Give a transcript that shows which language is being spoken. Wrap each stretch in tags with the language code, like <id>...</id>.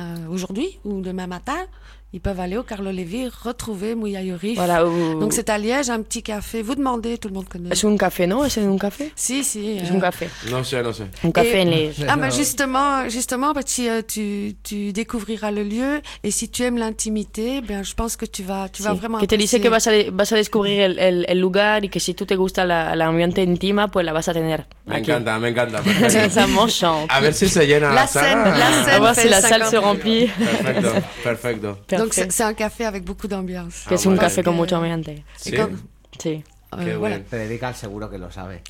<fr>aujourd'hui ou demain matin, ils peuvent aller au Carlo Levi retrouver Mouya Yurif. Voilà, donc c'est à Liège, un petit café. Vous demandez, tout le monde connaît. C'est un café, non? C'est un café?</fr> <es>Si, si.</es> <fr>C'est un café. Non, c'est, non, c'est.</fr> <es>Un café en Liège.</es> <fr>Ah, mais justement, tu découvriras le lieu. Et si tu aimes l'intimité, ben, je pense que tu vas vraiment.</fr> <es>Que te dice que vas a découvrir el lugar y que si tú te gusta la ambiente intima, pues la vas a tener. Me encanta.</es> <fr>C'est un bon chant.</fr> <es>A ver si se llena la scène.</es> <fr>La scène. A voir si la salle se remplit.</fr> <es>Perfecto.</es> <fr>Donc c'est un café avec beaucoup d'ambiance.</fr> <es>Que</es> <fr>c'est</fr> <es>un café con mucho ambiente. Sí. Quand... Sí.</es> <fr>Voilà.</fr> <es>Federica, seguro que lo sabe.</es>